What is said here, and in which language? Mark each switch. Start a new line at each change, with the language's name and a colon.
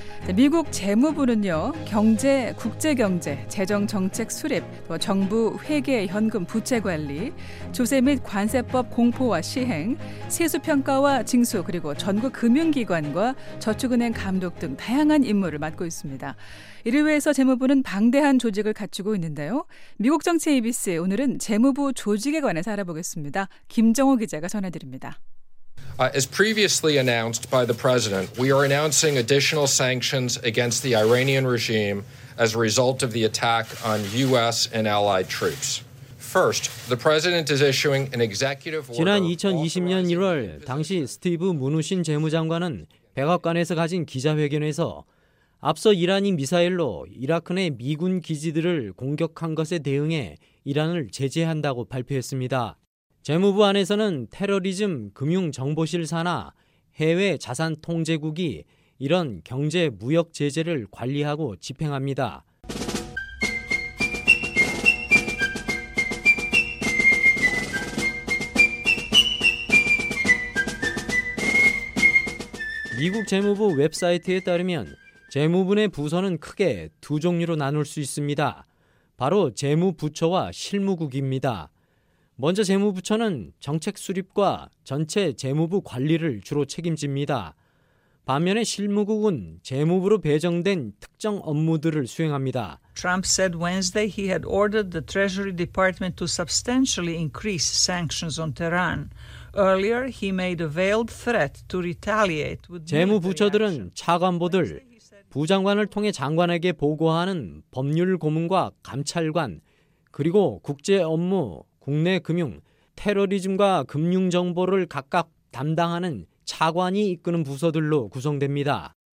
Korean: 네, 미국 재무부는요, 경제, 국제경제, 재정정책 수립, 또 정부 회계, 현금, 부채 관리, 조세 및 관세법 공포와 시행, 세수평가와 징수, 그리고 전국 금융기관과 저축은행 감독 등 다양한 임무를 맡고 있습니다. 이를 위해서 재무부는 방대한 조직을 갖추고 있는데요. 미국 정치 ABC 오늘은 재무부 조직에 관해서 알아보겠습니다. 김정호 기자가 전해드립니다.
English: As previously announced by the president, we are announcing additional sanctions against the Iranian regime as a result of the attack on U.S. and allied troops. First, the president is issuing an executive order.
Korean: 지난 2020년 1월 당시 스티브 무누신 재무장관은 백악관에서 가진 기자회견에서 앞서 이란이 미사일로 이라크 내 미군 기지들을 공격한 것에 대응해 이란을 제재한다고 발표했습니다. 재무부 안에서는 테러리즘 금융정보실 산하 해외 자산 통제국이 이런 경제 무역 제재를 관리하고 집행합니다. 미국 재무부 웹사이트에 따르면 재무부의 부서는 크게 두 종류로 나눌 수 있습니다. 바로 재무부처와 실무국입니다. 먼저 재무부처는 정책 수립과 전체 재무부 관리를 주로 책임집니다. 반면에 실무국은 재무부로 배정된 특정 업무들을 수행합니다.
English: Trump said Wednesday he had ordered the Treasury Department to substantially increase sanctions on Tehran. Earlier he made a veiled threat to retaliate with
Korean: 재무부처들은 차관보들, 부장관을 통해 장관에게 보고하는 법률 고문과 감찰관, 그리고 국제 업무, 국내 금융, 테러리즘과 금융 정보를 각각 담당하는 차관이 이끄는 부서들로 구성됩니다.